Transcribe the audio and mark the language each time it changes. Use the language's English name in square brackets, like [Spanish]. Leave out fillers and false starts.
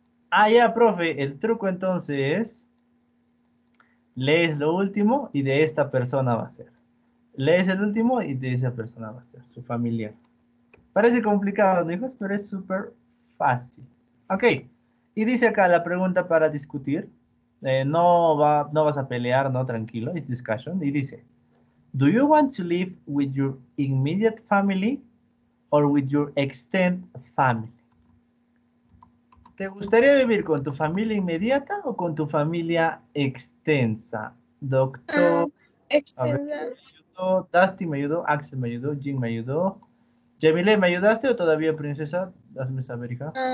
[Spanish] Ah, ya, profe, el truco entonces es, lees lo último y de esta persona va a ser. Lees el último y de esa persona va a ser, su familiar. Parece complicado, hijos, pero es súper fácil. Ok, y dice acá la pregunta para discutir. No vas a pelear, no, tranquilo, [English] it's discussion. [Spanish] Y dice, [English] do you want to live with your immediate family or with your extended family? [Spanish] ¿Te gustaría vivir con tu familia inmediata o con tu familia extensa? Doctor. Extensa. Dusty me ayudó, Axel me ayudó, Jim me ayudó. Jamile, ¿me ayudaste o todavía, princesa? Hazme saber, hija.